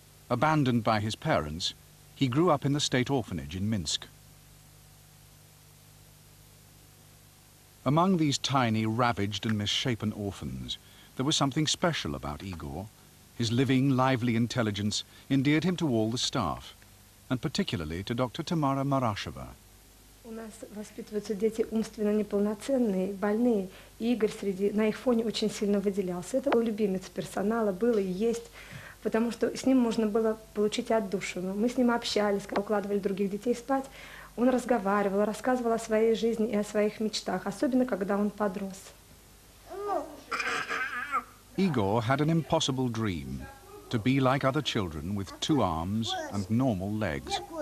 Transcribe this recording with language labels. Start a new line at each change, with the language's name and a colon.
English: Abandoned by his parents, he grew up in the state orphanage in Minsk. Among these tiny, ravaged and misshapen orphans, there was something special about Igor. His living, lively intelligence endeared him to all the staff, and particularly to Dr. Tamara Marashova.
Russian: У нас воспитываются дети умственно неполноценные, больные. И Игорь среди на их фоне очень сильно выделялся. Это был любимец персонала, был и есть, потому что с ним можно было получить отдушину. Мы с ним общались, укладывали других детей спать. Он разговаривал, рассказывал о своей жизни и о своих мечтах, особенно когда он подрос.
English: Igor had an impossible dream to be like other children with two arms and normal legs.